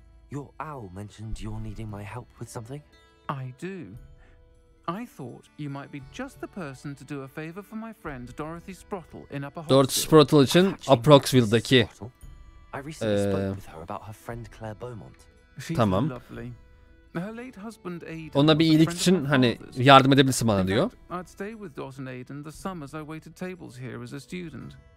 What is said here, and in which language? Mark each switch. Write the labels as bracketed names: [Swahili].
[English] Your owl mentioned you're needing my help with something. I do. I thought you might be just the person to do a favor for my friend Dorothy Sprottle in Upper Hogsville. [Turkish] Dorothy Sprottle için Approxville'daki. [English] I recently spoke with her about her friend Claire Beaumont. [Turkish] Tamam. [English] Her late husband Aidan. [Turkish] Ona bir iyilik için hani yardım edebilirsin bana diyor. [English] I'd stay with Dorothy and Aidan the summers I waited tables here as a student.